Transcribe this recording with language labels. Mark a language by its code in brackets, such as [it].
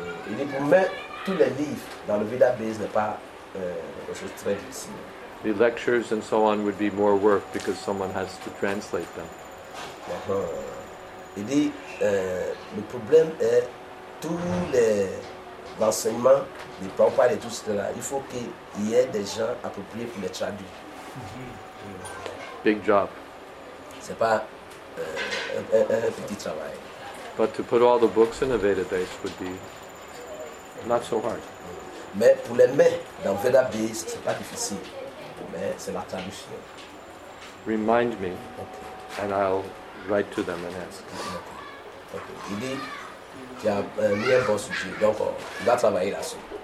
[fr] Il dit pour mettre tous les livres dans le Veda base n'est pas chose très difficile. [en] The lectures and so on would be more work because someone has to translate them. [fr] Il dit le problème est tous les enseignements des Prabhupada et tout cela. Il faut qu'il y ait des gens appropriés pour les traduire. [en] Big job. [fr] C'est pas un petit travail. [en] But to put all the books in a Veda base would be not so hard. [fr] Mais pour les mettre dans Veda base, c'est pas difficile. Mais c'est la traduction. [en] Remind me, okay. And I'll write to them and ask. Okay. [fr] Il dit qu'il y a mis un bon sujet, donc il va travailler là-dessus.